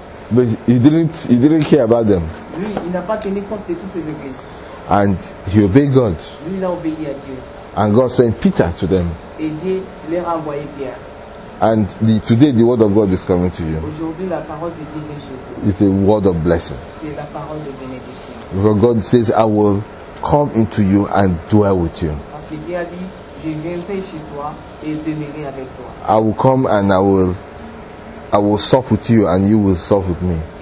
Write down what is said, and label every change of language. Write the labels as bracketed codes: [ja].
[en] But he didn't care about them. [fr] Lui, il n'a pas tenu compte de toutes ces églises. [en] And he obeyed God. [fr] Lui, il a obéi à Dieu. [en] And God sent Peter to them. [fr] Et Dieu leur a envoyé Pierre. [en] And today the word of God is coming to you. [fr] Aujourd'hui, la parole de Dieu est chez vous. [en] It's a word of blessing. [fr] C'est la parole de bénédiction. [en] Because God says, I will come into you and dwell with you. [fr] Parce que Dieu a dit, je viendrai chez toi et demeurerai avec toi. [en] I will come and I will sup with you and you will sup with me.